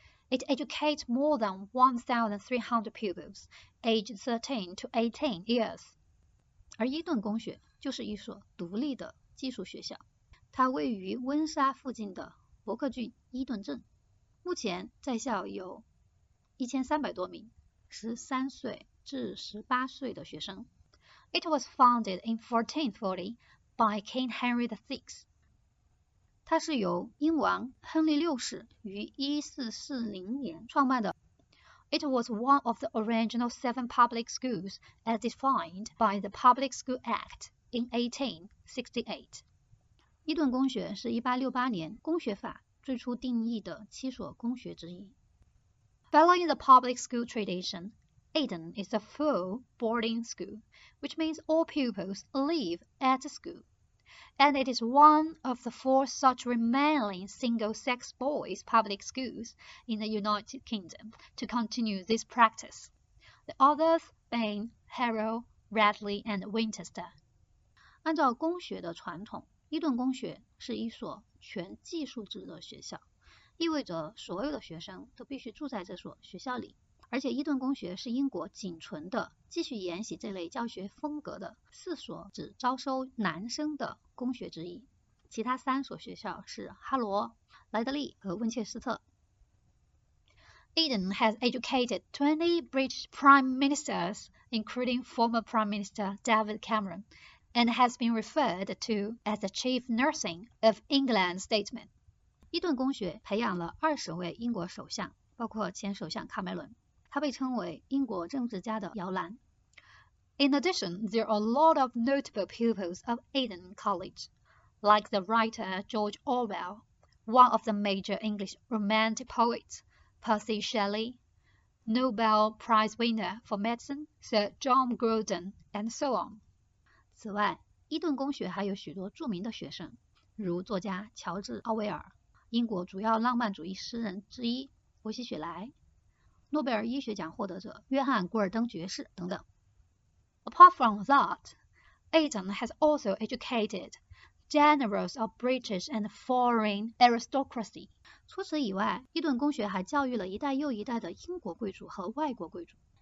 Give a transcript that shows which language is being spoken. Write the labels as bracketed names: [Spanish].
[English] It educates more than 1,300 pupils aged 13 to 18 years. [Chinese] 而伊顿公学就是一所独立的技术学校，它位于温莎附近的伯克郡伊顿镇。目前在校有1300多名13岁至18岁的学生。 [English] It was founded in 1440 by King Henry VI. [Chinese] 它是由英王亨利六世于1440年创办的。 [English] It was one of the original seven public schools as defined by the Public School Act in 1868. [Chinese] 伊顿公学是1868年公学法最初定义的七所公学之一。 [English] Following the public school tradition, Eton is a full boarding school, which means all pupils live at the school. And it is one of the four such remaining single-sex boys' public schools in the United Kingdom to continue this practice. The others being Harrow, Radley, and Winchester. [Chinese] 按照公学的传统，伊顿公学是一所全技术制的学校。意味着所有的学生都必须住在这所学校里，而且伊顿公学是英国仅存的继续沿袭这类教学风格的四所只招收男生的公学之一，其他三所学校是哈罗、莱德利和温切斯特。 [English] Eton has educated 20 British Prime Ministers, including former Prime Minister David Cameron, and has been referred to as the chief nursing of England statesmen. [Chinese] 伊顿公学培养了二十位英国首相，包括前首相卡梅伦，他被称为英国政治家的摇篮。 [English] In addition, there are a lot of notable pupils of Eton College, like the writer George Orwell, one of the major English romantic poets, Percy Shelley, Nobel Prize winner for medicine, Sir John Grodin, and so on. [Chinese] 此外，伊顿公学还有许多著名的学生，如作家乔治·奥威尔。英国主要浪漫主义诗人之一伯希·雪莱，诺贝尔医学奖获得者约翰·古尔登爵士等等。 [English] Apart from that, Eton has also educated generals of British and foreign aristocracy. [Chinese] 除此以外，伊顿公学还教育了一代又一代的英国贵族和外国贵族。